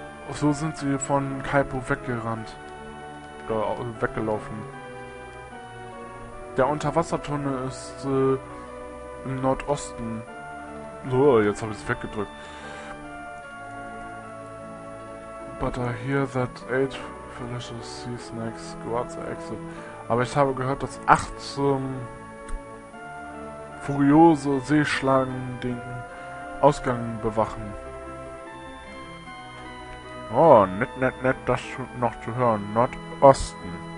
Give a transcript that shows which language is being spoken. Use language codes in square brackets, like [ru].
[de] So sind sie von Kaipo weggerannt. Weggelaufen. Der Unterwassertunnel ist im Nordosten. Oh, jetzt habe ich es weggedrückt. [en] But I hear that 8 Felicious Sea Snakes go out the exit. [de] Aber ich habe gehört, dass 8 furiose Seeschlangen den Ausgang bewachen. Oh, nett, das noch zu hören. Nordosten.